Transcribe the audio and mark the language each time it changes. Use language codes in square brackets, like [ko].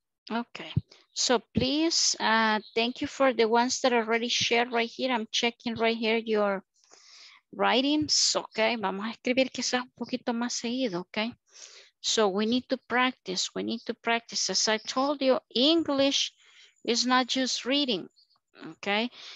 [en] Okay, so please, thank you for the ones that already shared right here. I'm checking right here your writings. [es] Okay, vamos a escribir quizás un poquito más seguido, okay? [en] So we need to practice. We need to practice. As I told you, English is not just reading, okay?